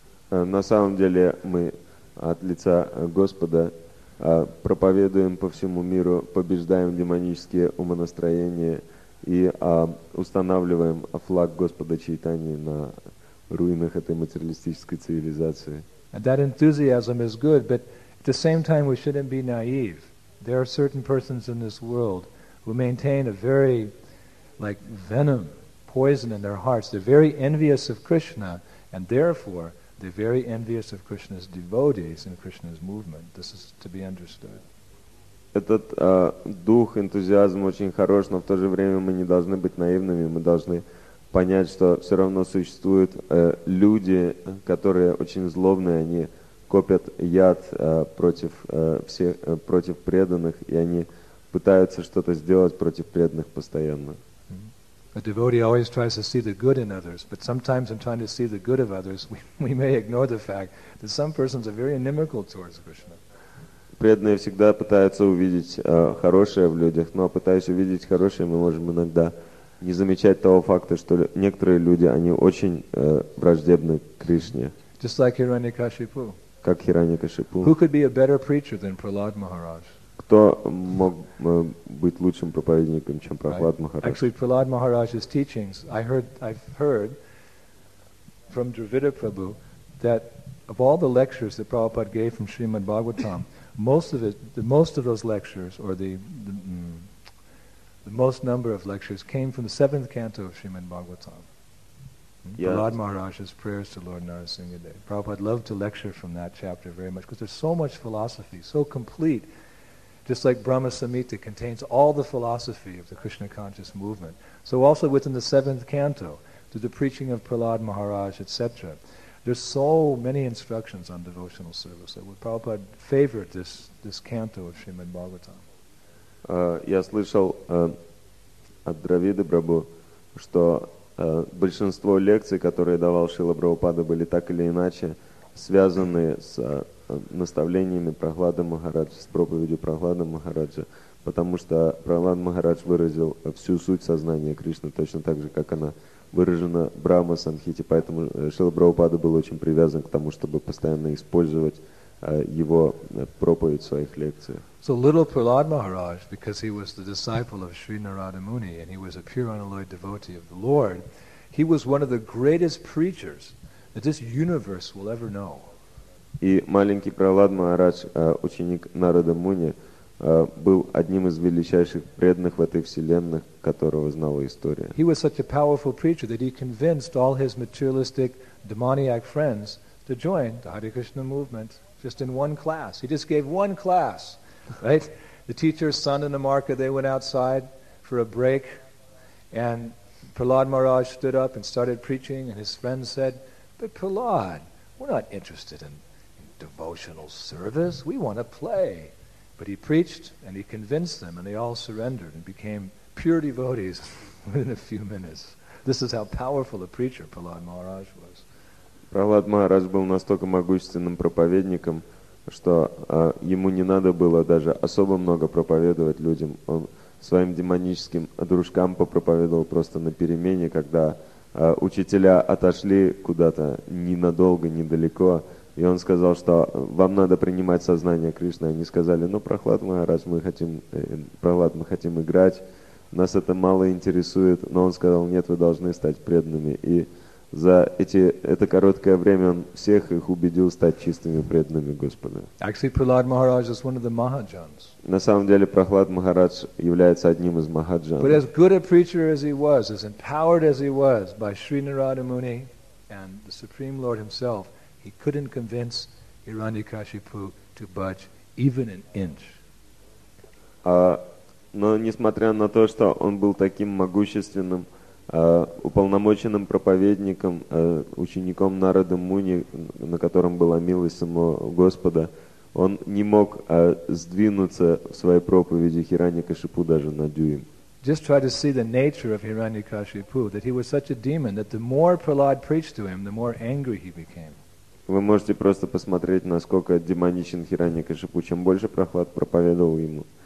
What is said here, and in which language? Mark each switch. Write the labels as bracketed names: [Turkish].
[Russian] На самом деле мы от лица Господа проповедуем по всему миру, побеждаем демонические умонастроения и устанавливаем флаг Господа Чайтани на руинах этой материалистической цивилизации. [English] And that enthusiasm is good, but at the same time, we shouldn't be naive. There are certain persons in this world who maintain a very, like, venom, poison in their hearts. They're very envious of Krishna, and therefore, they're very envious of Krishna's devotees and Krishna's movement. This is to be understood. [Russian] Этот дух, энтузиазм очень хорош, но в то же время мы не должны быть наивными. Мы должны понять, что все равно существуют люди, которые очень злобные, они копят яд против преданных, и они пытаются что-то сделать против преданных постоянно. [English] A devotee always tries to see the good in others, but sometimes in trying to see the good of others, we may ignore the fact that some persons are very inimical towards Krishna. [Russian] Преданные всегда пытаются увидеть хорошее в людях, но пытаясь увидеть хорошее, мы можем иногда не замечать того факта, что некоторые люди, они очень враждебны к Кришне. [English] Just like Hiranyakashipu. [Russian] Как Хиранья-Кашипу. [English] Who could be a better preacher than Prahlad Maharaj? [Russian] Кто мог быть лучшим проповедником, чем Прохлад Махарадж? [English] Actually, Prahlad Maharaj's teachings, I've heard from Dravida Prabhu that of all the lectures that Prabhupada gave from Srimad Bhagavatam, most of those lectures came from the seventh canto of Srimad Bhagavatam. Yes. Prahlad Maharaj's prayers to Lord Narasimhadev. Prabhupada loved to lecture from that chapter very much because there's so much philosophy, so complete. Just like Brahma Samhita contains all the philosophy of the Krishna conscious movement. So also within the seventh canto, to the preaching of Prahlad Maharaj, etc. There's so many instructions on devotional service that Prabhupada favored this canto of Srimad Bhagavatam. [Russian] Я слышал от Дравиды Прабху, что большинство лекций, которые давал Шрила Прабхупада, были так или иначе связаны с наставлениями Прахлады Махараджа, с проповедью Прахлады Махараджа, потому что Прахлад Махарадж выразил всю суть сознания Кришны, точно так же, как она выражена в Брахма Самхите, поэтому Шрила Прабхупада был очень привязан к тому, чтобы постоянно использовать его проповедь в своих лекциях. [English] So little Prahlad Maharaj, because he was the disciple of Sri Narada Muni and he was a pure unalloyed devotee of the Lord, he was one of the greatest preachers that this universe will ever know. [Russian] И маленький Прахлад Махарадж, ученик Нарада Муни, был одним из величайших преданных в этой вселенной, которого знала история. [English] He was such a powerful preacher that he convinced all his materialistic demoniac friends to join the Hare Krishna movement just in one class. He just gave one class. Right? The teacher's son and the Marka, they went outside for a break and Prahlad Maharaj stood up and started preaching and his friend said, but Prahlad, we're not interested in devotional service. We want to play. But he preached and he convinced them and they all surrendered and became pure devotees within a few minutes. This is how powerful a preacher Prahlad Maharaj was. [Russian] Prahlad Maharaj был настолько могущественным проповедником, что ему не надо было даже особо много проповедовать людям. Он своим демоническим дружкам попроповедовал просто на перемене, когда учителя отошли куда-то ненадолго, недалеко. И он сказал, что вам надо принимать сознание Кришны. Они сказали, ну, Прахлад Махарадж, мы хотим играть. Нас это мало интересует. Но он сказал, нет, вы должны стать преданными. И за это короткое время он всех их убедил стать чистыми преданными Господа. [English] Actually, Prahlad Maharaj is one of the Mahajans. [Russian] На самом деле Прахлад Махарадж является одним из Махаджан. [English] But as good a preacher as he was, as empowered as he was by Sri Narada Muni and the Supreme Lord himself, he couldn't convince Hiranyakashipu to budge even an inch. [Russian] Но несмотря на то, что он был таким могущественным, уполномоченным проповедником, учеником Нарада Муни, на котором была милость самого Господа, он не мог сдвинуться в своей проповеди Хираньякашипу даже на дюйм. [English] Just try to see the nature of Hiranyakashipu, that he was such a demon that the more Prahlad preached to him, the more angry he became. [Russian] Вы можете просто посмотреть, насколько демоничен Хираньякашипу. Чем больше Прахлад проповедовал ему,